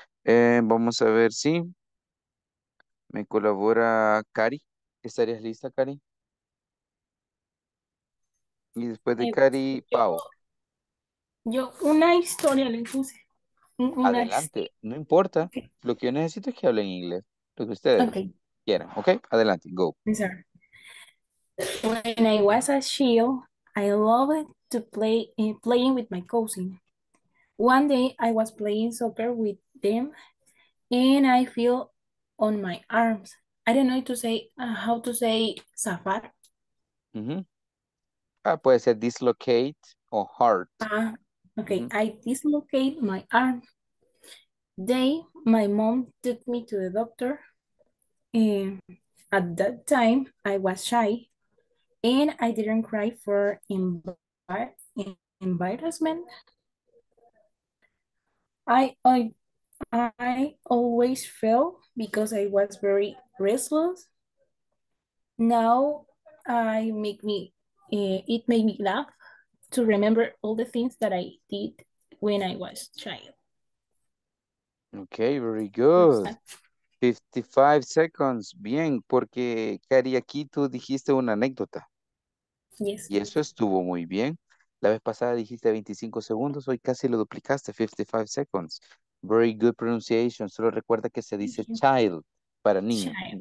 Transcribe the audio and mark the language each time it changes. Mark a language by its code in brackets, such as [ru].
[es] Vamos a ver si me colabora Cari. ¿Estarías lista, Cari? Y después de Cari, Pau. Yo una historia le puse. Adelante, historia. No importa. Okay. Lo que yo necesito es que hable en inglés. Lo que ustedes quieran. Ok, adelante, go. [en] When I was a child, I loved to playing with my cousin. One day, I was playing soccer with them, and I feel on my arms. I don't know to say, how to say zafar. [es] Mm-hmm. Ah, puede ser dislocate o hurt. [en] Okay, mm-hmm. I dislocate my arm. My mom took me to the doctor. And at that time, I was shy. And I didn't cry for embarrassment. I always fell because I was very restless. Now, it made me laugh to remember all the things that I did when I was a child. Okay, very good. 55 seconds. [es] Bien, porque Cari, aquí tú dijiste una anécdota. [en] Yes. [es] Y eso estuvo muy bien. La vez pasada dijiste 25 segundos, hoy casi lo duplicaste, [en] 55 seconds. Very good pronunciation. [es] Solo recuerda que se dice child para niño.